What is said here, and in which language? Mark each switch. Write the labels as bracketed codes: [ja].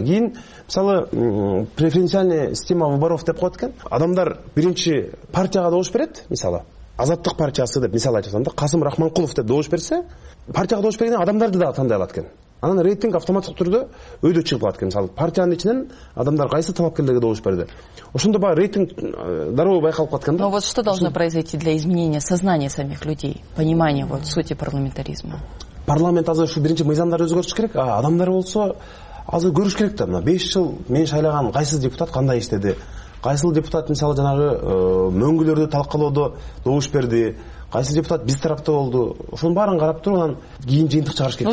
[ky] Кийин мисалы [ru] преференциальный система выборов [ky] деп коет экен, адамдар биринчи партияга добуш берет, мисалы Азаттык партиясы деп мисал айтып атам да, Касым Рахманкулов деп добуш берсе, партияга добуш берген адамдарды дагы тандай алат экен. Анан рейтинг автоматтык түрдө өйдө чыгып калат экен. Мисалы партиянын ичинен адамдар кайсы талапкерлерге добуш берди, ошондо баягы рейтинг дароо байкалып калат экен да. [ru] Но вот что должно произойти для изменения сознания самих людей, понимания вот сути парламентаризма? [ky] Парламент азыр ушул биринчи мыйзамдарды өзгөртүш керек, а адамдар болсо азыр көрүш керек да, мына 5 жыл мен шайлаган кайсы депутат кандай иштеди, кайсыл депутат мисалы жанагы мөңгүлөрдү талкалоодо добуш берди, кайсы депутат биз тарапта болду, ошонун баарын карап туруп анан кийин жыйынтык чыгарыш керек.